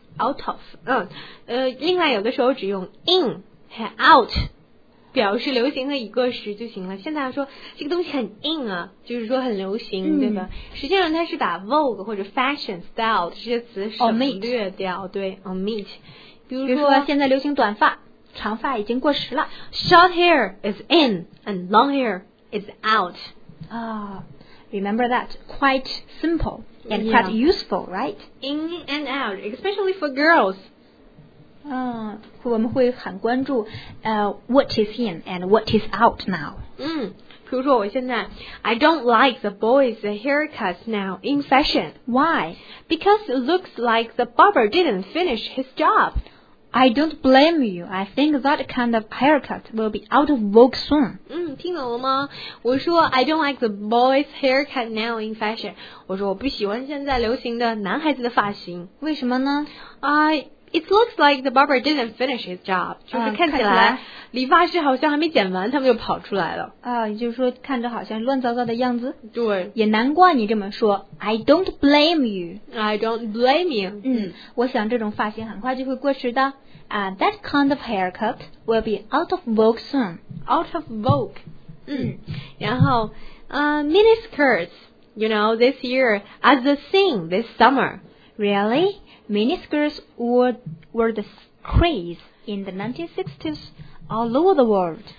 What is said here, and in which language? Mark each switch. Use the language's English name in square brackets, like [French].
[Chinese] Out of， 另外有的时候只用 in 和 out 表示流行的已过时就行了。现在说这个东西很 in 啊，就是说很流行，嗯、对吧？实际上它是把 vogue 或者 fashion style 这些词省略掉， [English] oh, [Chinese] 对 ，omit。比如说现在流行短发，长发已经过时了 [English] ，short hair is in and long hair is out。 Remember that quite simple. And quite useful, right? In and out, especially for girls. [Chinese] 我们会很关注 [English] what is in and what is out now. 嗯， [Chinese] 比如说我现在 [English] I don't like the boys' haircuts now in fashion. Why? Because it looks like the barber didn't finish his job. I don't blame you. I think that kind of haircut will be out of vogue soon. [Chinese] 听懂了吗？我说 [English] I don't like the boys' haircut now in fashion. [Chinese] 我说我不喜欢现在流行的男孩子的发型。为什么呢？ [English] It looks like the barber didn't finish his job. [Chinese] 就是看起来理发师好像还没剪完，他们就跑出来了。也就是说看着好像乱糟糟的样子。对。也难怪你这么说。 [English] I don't blame you. I don't blame you. [Chinese] 嗯，我想这种发型很快就会过时的。 [English] That kind of haircut will be out of vogue soon. Out of vogue. 然后mini skirts, you know, this year are the thing this summer. Really? Miniskirts were the craze in the 1960s all over the world.